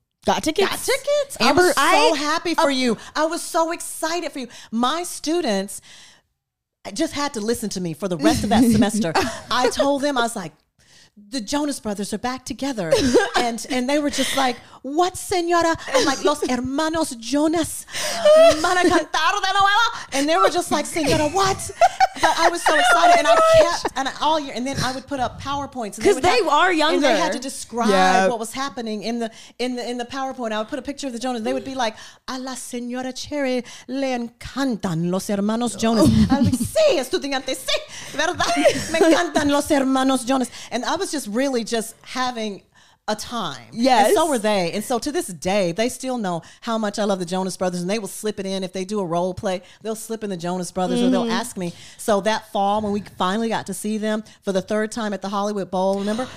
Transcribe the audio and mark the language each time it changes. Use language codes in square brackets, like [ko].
[en] got tickets. Amber, I was so happy for you. I was so excited for you. My students just had to listen to me for the rest of that semester. I told them, I was like, the Jonas Brothers are back together. And they were just like, what, señora? I'm like, [es] los hermanos Jonas van a cantar de nuevo. [en] And they were just like, señora, what? But I was so excited. Oh, and gosh. And then I would put up PowerPoints. Because they are younger. And they had to describe what was happening in the PowerPoint. I would put a picture of the Jonas. They would be like, [es] a la señora Cherry le encantan los hermanos Jonas. [en] I'd be like, [es] sí, estudiante, sí, verdad? Me encantan los hermanos Jonas. [en] And I was just really just having a time. Yes. And so were they. And so to this day, they still know how much I love the Jonas Brothers, and they will slip it in. If they do a role play, they'll slip in the Jonas Brothers or they'll ask me. So that fall when we finally got to see them for the third time at the Hollywood Bowl, remember?